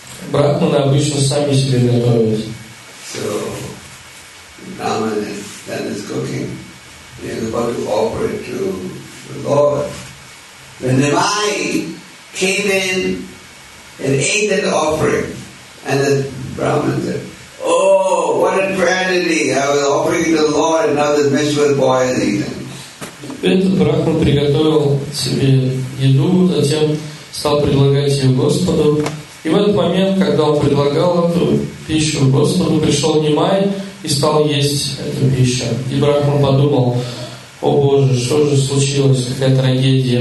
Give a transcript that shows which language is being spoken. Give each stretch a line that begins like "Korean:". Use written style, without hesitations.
Russian: Брахманы обычно сами себе готовят.
English: So Brahman then is cooking. He is about to offer it to the Lord. When the Mai came in and ate that offering, and the Brahman said, "Oh, what a tragedy! I was offering it to the Lord, and now this miserable boy has eaten."
Russian: Этот брахман приготовил себе еду, затем стал предлагать ее Господу. И в этот момент, когда он предлагал эту пищу Господу, пришел Немай и стал есть эту пищу. И брахман подумал: «О Боже, что же случилось? Какая трагедия!